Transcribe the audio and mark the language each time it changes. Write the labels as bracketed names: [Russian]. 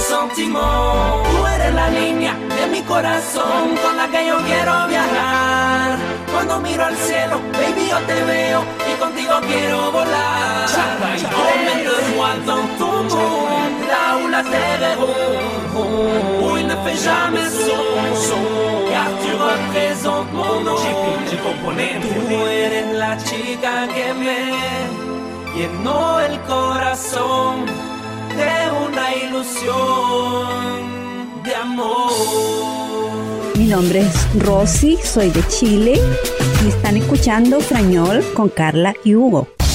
[Spanish] Tú eres la niña de mi corazón con la que yo quiero viajar. Cuando miro al cielo, baby, yo te veo y contigo quiero volar. [French] Chaka y dans ton monde, là où la terre est ronde, où il ne fait jamais son, car tu représentes mon nom. [Spanish] Tú eres la chica que me llenó el corazón de una ilusión de amor. Mi nombre es Rosy, soy de Chile y están escuchando Frañol con Carla y Hugo.